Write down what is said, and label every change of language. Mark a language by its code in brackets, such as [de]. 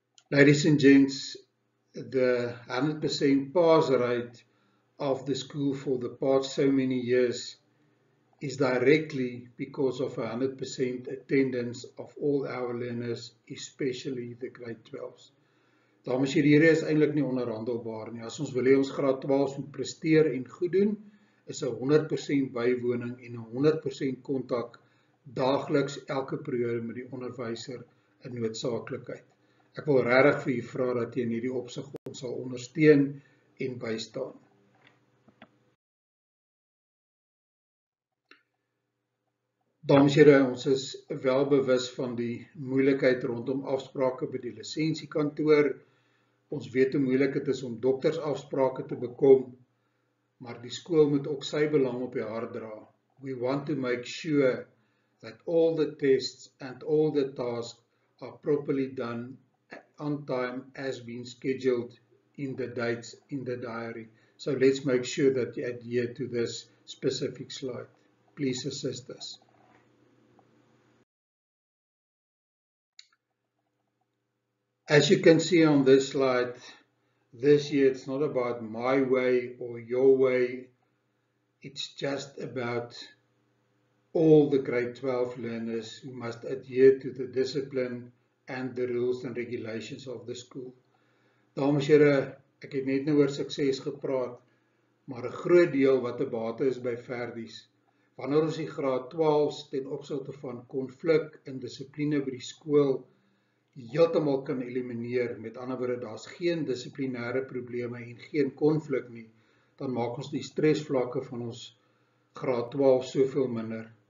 [en] Ladies and gents, the 100% pass rate of the school for the past so many years is directly because of 100% attendance of all our learners, especially the grade 12s. [af] Dames, hierdie is eintlik nie onderhandelbaar nie. As ons wil hê ons graad 12s moet presteer en goed doen, is 100% bywoning en 100% kontak daagliks elke periode met die onderwyser 'n noodsaaklikheid. Ek wil regtig vir u vra dat jy in hierdie opsig ons sal ondersteun en bystaan. Dames en here, ons is wel bewus van die moeilikheid rondom afsprake by die lisensiekantoor. Ons weet hoe moeilik dit is om doktersafsprake te bekom. Maar die skool moet ook sy belang op die hart dra. [en] We want to make sure that all the tests and all the tasks are properly done on time as been scheduled in the dates in the diary. So let's make sure that you adhere to this specific slide. Please assist us. As you can see on this slide, this year, it's not about my way or your way. It's just about all the grade 12 learners who must adhere to the discipline and the rules and regulations of the school. [af] Dames en here, ek het net nou oor sukses gepraat, maar 'n groot deel wat 'n bate is by verdies. Wanneer ons die graad 12s ten opsigte van konflik en dissipline by die skool heeltemal kan elimineer, met ander woorde, daar's geen dissiplinêre probleme en geen konflik nie, dan maak ons die stresvlakke van ons graad 12 soveel minder.